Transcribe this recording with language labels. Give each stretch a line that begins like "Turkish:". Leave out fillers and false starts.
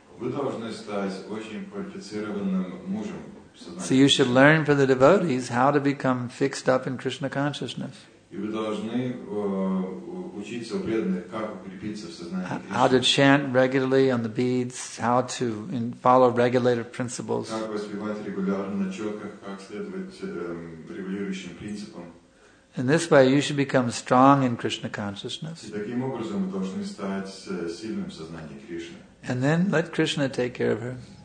Russian: Вы должны стать очень квалифицированным мужем.
English: So you should learn from the devotees how to become fixed up in Krishna consciousness.
Russian: И вы должны учиться у преданных, как укрепиться в сознании Кришны.
English: How to chant regularly on the beads, how to follow regulative principles.
Russian: Как воспевать регулярно на четках, как следовать регулирующим принципам.
English: In this way, you should become strong in Krishna consciousness. And then let Krishna take care of her.